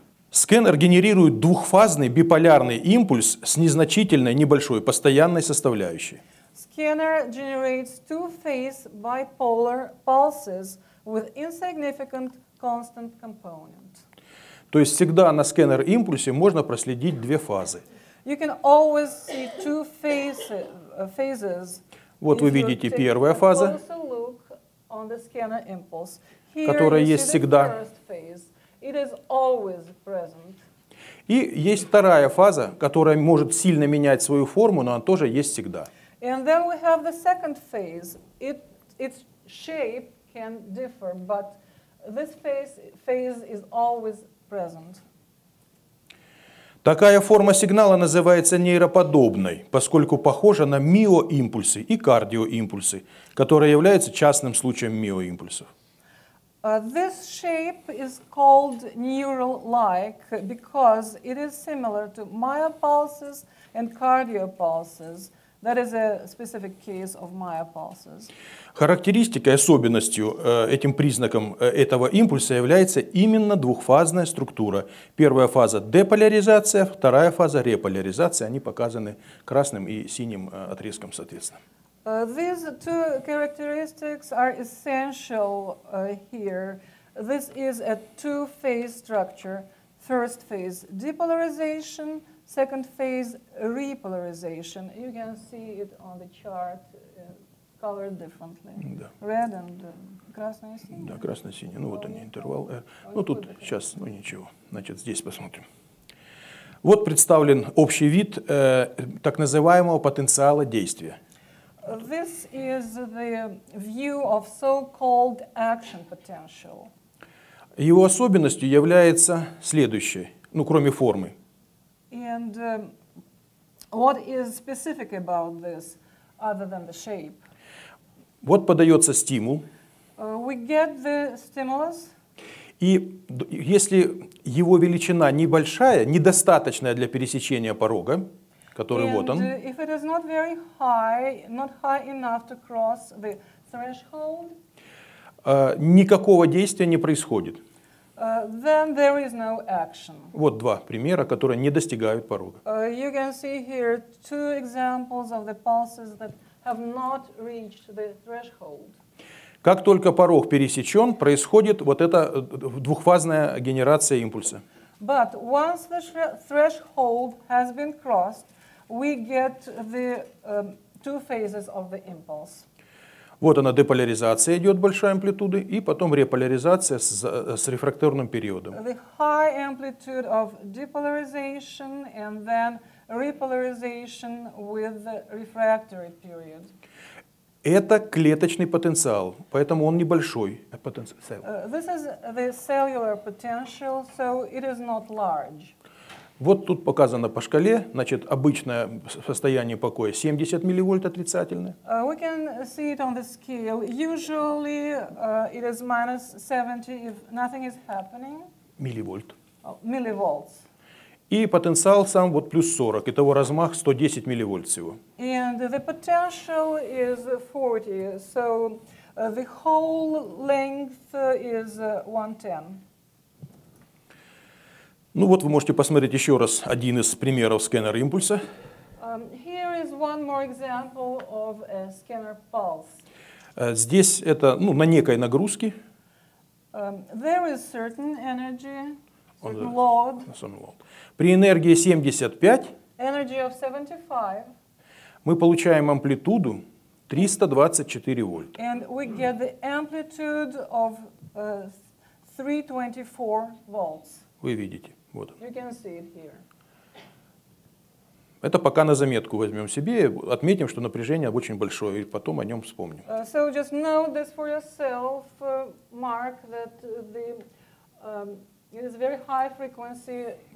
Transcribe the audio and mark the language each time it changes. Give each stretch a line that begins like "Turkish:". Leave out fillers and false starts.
Russian: Сканер генерирует двухфазный биполярный импульс с незначительной, небольшой, постоянной составляющей.
English: Scanner generates two-phase bipolar pulses with insignificant constant component.
Russian: То есть всегда на сканер импульсе можно проследить две фазы.
English: You can always see two phases.
Russian: Вот вы видите первая фаза, которая есть всегда.
English: It is always present.
Russian: И есть вторая фаза, которая может сильно менять свою форму, но она тоже есть всегда.
English: And then we have the second phase. Its shape can differ, but this phase is always present.
Russian: Такая форма сигнала называется нейроподобной, поскольку похожа на миоимпульсы и кардиоимпульсы, которые являются частным случаем миоимпульсов.
English: This shape is called neural-like because it is similar to myopulses and cardiopulses. That is a specific case of myopulses.
Russian: Характеристикой, особенностью, этим признаком этого импульса является именно двухфазная структура. Первая фаза — деполяризация, вторая фаза — реполяризация. Они показаны красным и синим отрезком, соответственно.
English: These two characteristics are essential here. This is a two-phase structure. First phase depolarization, second phase repolarization. You can see it on the chart colored differently.
Russian: Да.
English: Red and
Russian: красно-синий. Да, красно-синий. Ну вот они, интервал. Ну тут сейчас, ну ничего. Значит, здесь посмотрим. Вот представлен общий вид так называемого потенциала действия.
English: This is the view of so-called action potential.
Russian: Его особенностью является следующее, ну, кроме формы.
English: And what is specific about this, other than the shape?
Russian: Вот подается стимул.
English: We get the stimulus.
Russian: И если его величина небольшая, недостаточная для пересечения порога, который
English: and
Russian: вот он.
English: If it is not very high, not high enough to cross the threshold,
Russian: никакого действия не происходит.
English: Then there is no action.
Russian: Вот два примера, которые не достигают порога.
English: You can see here two examples of the pulses that have not reached the threshold.
Russian: Как только порог пересечен, происходит вот эта двухфазная генерация импульса.
English: But once the threshold has been crossed, we get the two phases of the impulse.
Russian: Вот она, деполяризация идет, большая амплитуда, и потом реполяризация с рефракторным периодом.
English: The high amplitude of depolarization and then repolarization with the refractory period.
Russian: Это клеточный потенциал, поэтому он небольшой потенциал.
English: This is the cellular potential, so it is not large.
Russian: Вот тут показано по шкале, значит, обычное состояние покоя 70 милливольт отрицательное.
English: We can see it on the scale. Usually it is minus 70 if nothing is happening.
Russian: Милливольт.
English: Milliwatts.
Russian: И потенциал сам вот плюс 40, итого размах 110 милливольт всего.
English: And the potential is 40, so the whole length is 110.
Russian: Ну вот вы можете посмотреть еще раз один из примеров сканера импульса.
English: Here is one more example of a scanner pulse.
Russian: Здесь это, ну, на некой нагрузке.
English: There is certain energy, certain load. Some load.
Russian: При энергии 75,
English: energy of 75
Russian: мы получаем амплитуду 324 вольт.
English: And we get the amplitude of 324 volts.
Russian: Вы видите. Вот.
English: You can see it here.
Russian: Это пока на заметку возьмем себе, отметим, что напряжение очень большое, и потом о нем вспомним.
English: So just note this for yourself, Mark, that the it is very high frequency.